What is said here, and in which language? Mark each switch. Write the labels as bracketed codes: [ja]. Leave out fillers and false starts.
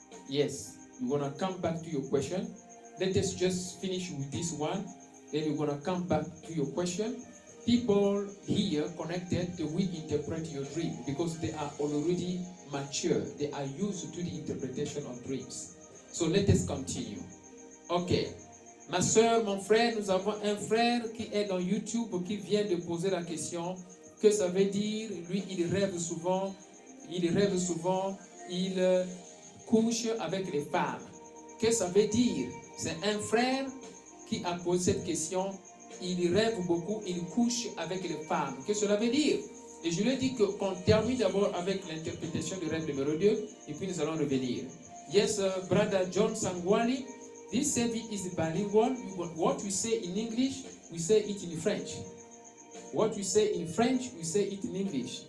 [en] Yes, we're gonna come back to your question. Let us just finish with this one. Then we're gonna come back to your question. People here connected, we interpret your dream because they are already mature. They are used to the interpretation of dreams. So let us continue. Okay. [fr] Ma soeur, mon frère, nous avons un frère qui est dans YouTube qui vient de poser la question. Que ça veut dire? Lui, il rêve souvent. Il rêve souvent. Il couche avec les femmes. Que ça veut dire? C'est un frère qui a posé cette question. Il rêve beaucoup, il couche avec les femmes. Que cela veut dire? Et je lui ai dit qu'on termine d'abord avec l'interprétation du rêve numéro 2, et puis nous allons revenir. [en] Yes, brother John Sangwali, this service is bilingual. What we say in English, we say it in French. What we say in French, we say it in English.